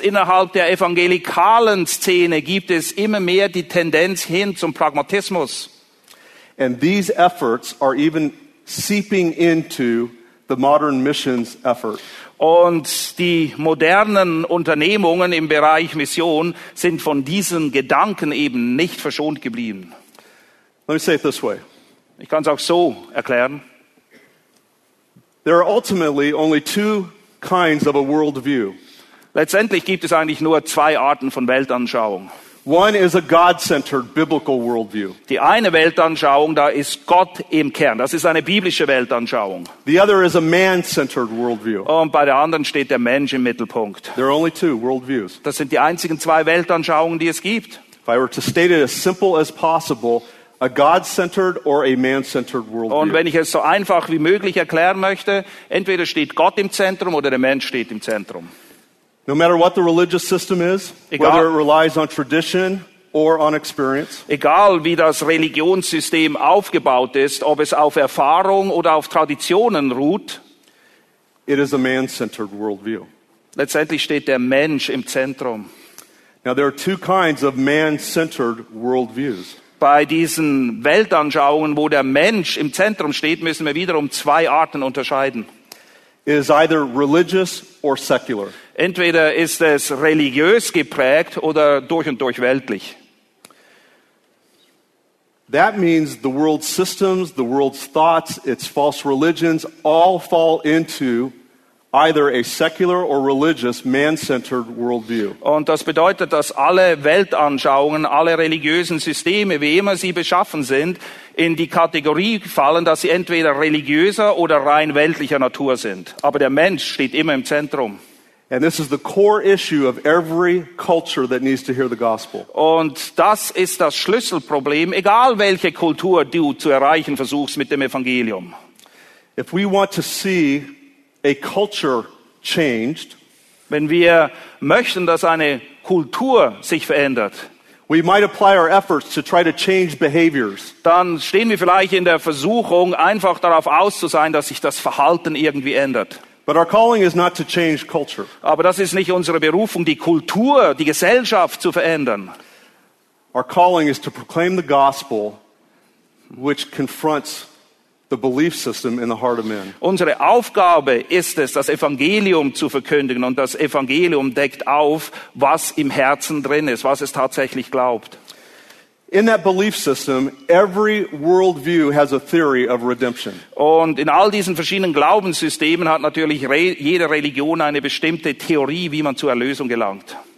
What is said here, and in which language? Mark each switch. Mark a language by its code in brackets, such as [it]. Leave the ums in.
[de] innerhalb der evangelikalen Szene gibt es immer mehr die Tendenz hin zum Pragmatismus. [en] And these efforts are even seeping into the modern missions effort. [de] Und die modernen Unternehmungen im Bereich Mission sind von diesen Gedanken eben nicht verschont geblieben. [en] Let me say it this way. [de] Ich kann es auch so erklären. [en] There are ultimately only two kinds of a worldview. [de] Letztendlich gibt es eigentlich nur zwei Arten von Weltanschauung. [en] One is a God-centered biblical worldview. [de] Die eine Weltanschauung, da ist Gott im Kern. Das ist eine biblische Weltanschauung. [en] The other is a man-centered worldview. [de] Und bei der anderen steht der Mensch im Mittelpunkt. [en] There are only two worldviews. [de] Das sind die einzigen zwei Weltanschauungen, die es gibt. [en] If I were to state it as simple as possible, a God -centered or a man -centered worldview. [de] Und wenn ich es so einfach wie möglich erklären möchte, entweder steht Gott im Zentrum oder der Mensch steht im Zentrum. [en] No matter what the religious system is, egal, whether it relies on tradition or on experience, [de] egal wie das Religionssystem aufgebaut ist, ob es auf Erfahrung oder auf Traditionen ruht, [en] it is a man-centered worldview. [de] Letztendlich steht der Mensch im Zentrum. [en] Now there are two kinds of man-centered worldviews. [de] bei diesen Weltanschauungen, wo der Mensch im Zentrum steht, müssen wir wiederum zwei Arten unterscheiden. Is Entweder ist es religiös geprägt oder durch und durch weltlich. [en] That means the world's systems, the world's thoughts, its false religions all fall into either a secular or religious man-centered worldview. [de] Und das bedeutet, dass alle Weltanschauungen, alle religiösen Systeme, wie immer sie beschaffen sind, in die Kategorie fallen, dass sie entweder religiöser oder rein weltlicher Natur sind. Aber der Mensch steht immer im Zentrum. [en] And this is the core issue of every culture that needs to hear the gospel. [de] Und das ist das Schlüsselproblem, egal welche Kultur du zu erreichen versuchst mit dem Evangelium. [en] If we want to see A culture changed, [de] wenn wir möchten, dass eine Kultur sich verändert, [en] we might apply our efforts to try to change behaviors. [de] Dann stehen wir vielleicht in der Versuchung, einfach darauf auszusehen, dass sich das Verhalten irgendwie ändert. [en] But our calling is not to change culture. [de] Aber das ist nicht unsere Berufung, die Kultur, die Gesellschaft zu verändern. [en] Our calling is to proclaim the gospel, which confronts The belief system in the heart of [de] Unsere Aufgabe ist es, das Evangelium zu verkündigen, und das Evangelium deckt auf, was im Herzen drin ist, was es tatsächlich glaubt. [en] In that belief system, every worldview has a theory of redemption. [de] Und in all diesen verschiedenen Glaubenssystemen hat natürlich jede Religion eine bestimmte Theorie, wie man zur Erlösung gelangt.